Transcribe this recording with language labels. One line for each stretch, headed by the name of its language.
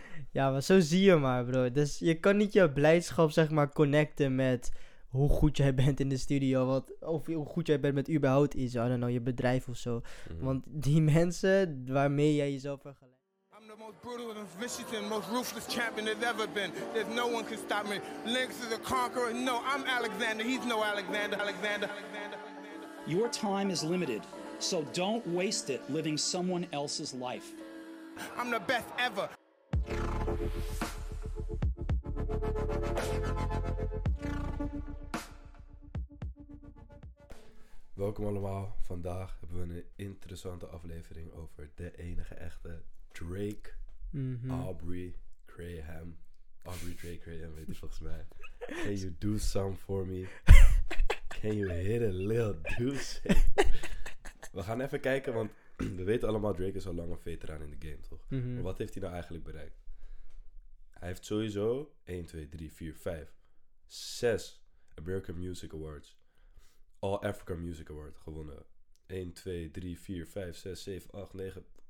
Dutch: Ja, maar zo zie je maar, bro. Dus je kan niet je blijdschap, zeg maar, connecten met hoe goed jij bent in de studio. Wat, of hoe goed jij bent met überhaupt iets.
English: I don't know,
Dutch: je bedrijf of zo. Mm-hmm. Want die mensen waarmee jij jezelf vergelijkt.
English: The most brutal and Michigan, most ruthless champion there's ever been. There's no one can stop me. Lynx is a conqueror. No, I'm Alexander. He's no Alexander. Alexander. Your time is limited, so don't waste it living someone else's life. I'm the best ever.
Dutch: Welkom allemaal. Vandaag hebben we een interessante aflevering over de enige echte Drake, mm-hmm. Aubrey Graham. Aubrey Drake Graham, weet je volgens mij.
English: Can you do some for me? Can you hit a little deuce?
Dutch: We gaan even kijken, want we weten allemaal, Drake is al lang een veteraan in de game, toch? Mm-hmm. Maar wat heeft hij nou eigenlijk bereikt? Hij heeft sowieso 1, 2, 3, 4, 5, 6 American Music Awards. All African Music Award gewonnen. 1, 2, 3, 4, 5, 6, 7, 8, 9...